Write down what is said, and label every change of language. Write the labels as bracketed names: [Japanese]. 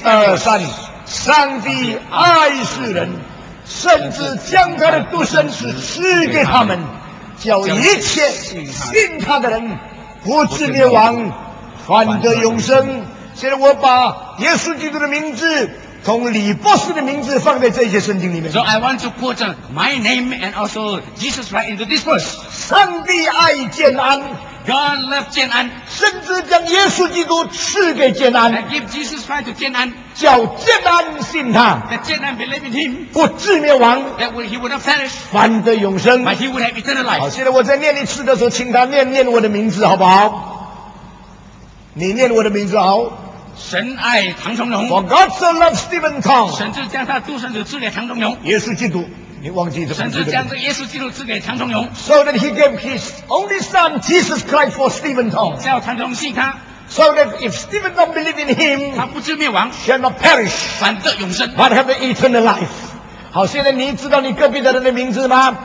[Chinese] 一二三上帝爱世人甚至将他的独生子赐给他们叫一切信他的人不至灭亡反得永生现在我把耶稣基督的名字从李博士的名字放在这些圣经里面。 [English] So I want to put my name and also Jesus right into this verse. [Chinese] 上帝爱建安 [English] ，God loved 建安， [Chinese] 甚至将耶稣基督赐给建安 [English] ，and give Jesus Christ to 建安， [Chinese] 叫建安信他 [English] ，that 建安 believe in him， [Chinese] 不至灭亡 [English] ，that he would not perish， [Chinese] 反得永生 [English] ，but he would have eternal life。 [Chinese] 好，现在我在念一次的时候，请他念念我的名字，好不好？你念我的名字，好。神爱唐崇荣 [English] For God so loved Stephen Tong [Chinese] 神就将他独生子赐给唐崇荣耶稣基督你忘记这神就将这耶稣基督赐给唐崇荣 [English] So that he gave his only son Jesus Christ for Stephen Tong [Chinese] 叫唐崇信他 [English] So that if Stephen Tong believe in him [Chinese] 他不至灭亡 [English] shall not perish [Chinese] 反得永生 [English] but have eternal life [Chinese] 好，现在你知道你隔壁的人的名字吗？